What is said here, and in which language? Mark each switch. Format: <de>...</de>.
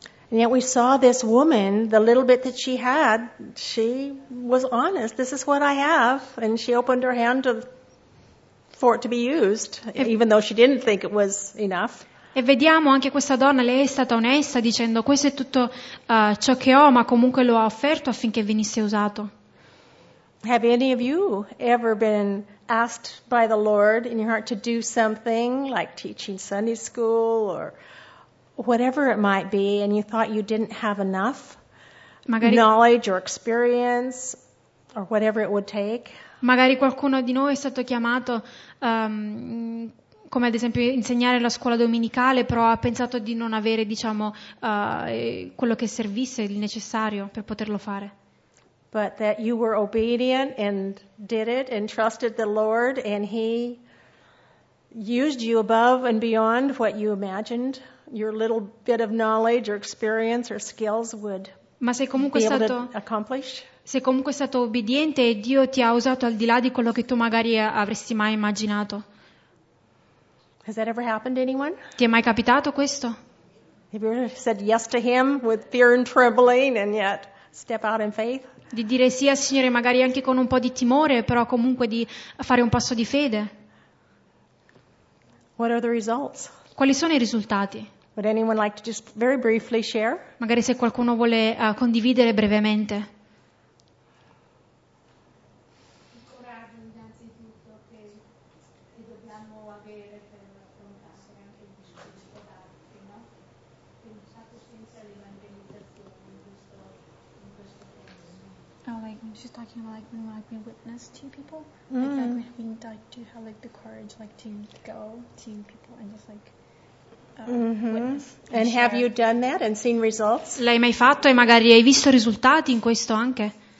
<en>And yet we saw this woman, the little bit that she had, she was honest. This is what I have, and she opened her hand to for it to be used, even though she didn't think it was enough.</en> <it>E vediamo anche questa donna, lei è stata onesta dicendo questo è tutto ciò che ho, ma comunque lo ha offerto affinché venisse usato.</it> <en>Have any of you ever been asked by the Lord in your heart to do something like teaching Sunday school or whatever it might be, and you thought you didn't have enough</en> <it>magari</it> <en>knowledge or experience or whatever it would take?</en> <it>Magari qualcuno di noi è stato chiamato, come ad esempio insegnare la scuola domenicale, però ha pensato di non avere, diciamo, quello che servisse, il necessario per poterlo fare.</it> <en>But that you were obedient and did it and trusted the Lord and He used you above and beyond what you imagined your little bit of knowledge or experience or skills would.</en> <it>Ma sei comunque stato. Sei comunque stato obbediente e Dio ti ha usato al di là di quello che tu magari avresti mai immaginato.</it> <en>Has that ever happened to anyone?</en> <it>Ti è mai capitato questo?</it> <en>Have you ever said yes to Him with fear and trembling and yet step out in faith?</en> <it>Di dire sì al Signore magari anche con un po' di timore, però comunque di fare un passo di fede.</it> <en>What are the results?</en> <it>Quali sono i risultati?</it> <en>Would anyone like to just very briefly share?</en> <it>Magari se qualcuno vuole condividere brevemente.</it> <en>She's talking about like being like witness to people, like we need to have like the courage like to go to people and just like witness. And have you done that and seen results?</en> <it>L'hai mai fatto e magari hai visto risultati in questo anche?</it>